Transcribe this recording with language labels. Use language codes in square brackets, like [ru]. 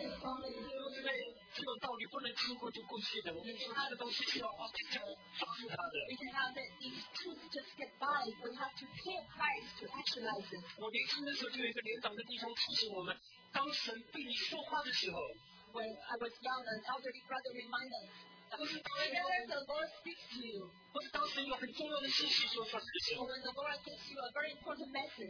[zh] 这种道理不能经过就过去的，我们说这个东西需要花时间抓住它的。 [en] We cannot let these truths just get by. We have to pay a price to actualize it. [zh] 我年轻的时候就有一个年长的弟兄提醒我们，当神对你说话的时候。 [en] When I was young, an elderly brother reminded us. [zh] 不是当神 [en] When the Lord speaks to you. [zh] 不是当神有很重要的信息说出来的时候。 [en] When the Lord gives you a very important message.